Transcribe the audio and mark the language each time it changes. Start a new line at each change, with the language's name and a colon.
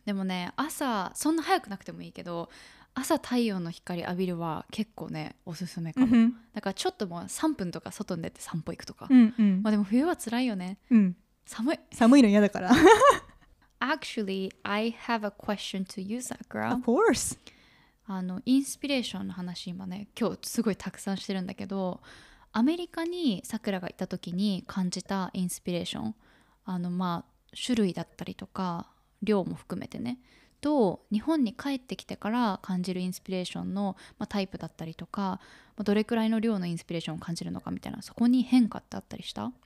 Japanese: でもね、朝、そんな早くなくてもいいけど、朝太陽の光浴びるは結構ね、おすすめかも。 Mm-hmm. だからちょっともう3分とか外に出て散歩行くとか。 Mm-hmm. まあでも冬は辛いよね。 Mm-hmm. 寒い。寒いの嫌だから。
English: Actually, I have a question to you, Sakura. Of course.
Japanese: あの、インスピレーションの話今ね、今日すごいたくさんしてるんだけど、アメリカに桜がいた時に感じたインスピレーション、あのまあ種類だったりとか量も含めてね、と日本に帰ってきてから感じるインスピレーションの、まあ、タイプだったりとか、まあ、どれくらいの量のインスピレーションを感じるのかみたいな、そこに変化ってあったりした？